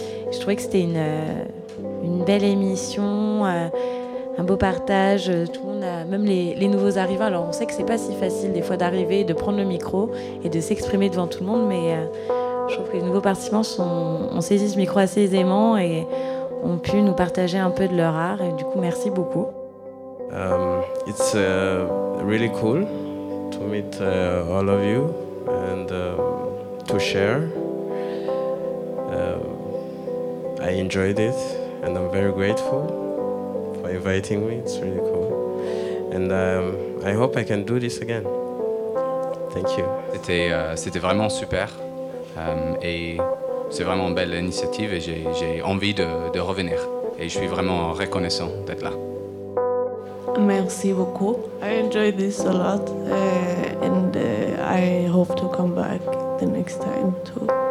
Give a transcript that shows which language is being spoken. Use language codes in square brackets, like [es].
[fr] Je trouvais que c'était une belle émission, un beau partage. Tout le monde a, même les nouveaux arrivants, alors on sait que c'est pas si facile des fois d'arriver, de prendre le micro et de s'exprimer devant tout le monde, mais je trouve que les nouveaux participants ont saisi ce micro assez aisément et ont pu nous partager un peu de leur art. Et du coup, merci beaucoup. [en] It's really cool to meet all of you and to share. I enjoyed it and I'm very grateful for inviting me. It's really cool. And I hope I can do this again. Thank you. [fr] C'était vraiment super. Et c'est vraiment une belle initiative et j'ai envie de revenir. Et je suis vraiment reconnaissant d'être là. Merci beaucoup. [en] I enjoyed this a lot and I hope to come back the next time too.